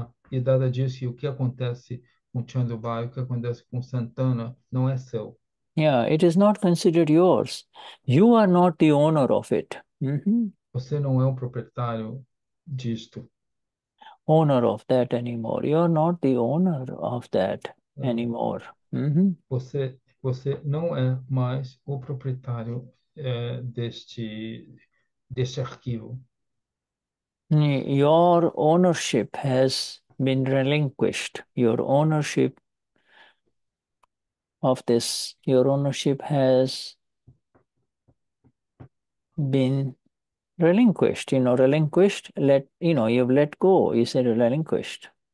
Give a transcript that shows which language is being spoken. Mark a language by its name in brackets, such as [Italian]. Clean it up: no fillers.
[Portuguese] E Dada disse o que acontece com Chandubai, o que acontece com Santana, não é seu. [English] Yeah, it is not considered yours. You are not the owner of it. [Portuguese] Você não é o proprietário disto. [English] Owner of that anymore. You are not the owner of that anymore. [Portuguese] Você não é mais o proprietário deste arquivo. [English] Your ownership has been relinquished. Your ownership of this, your ownership has been relinquished. You know, relinquished, let, you know, you've let go. You said relinquished.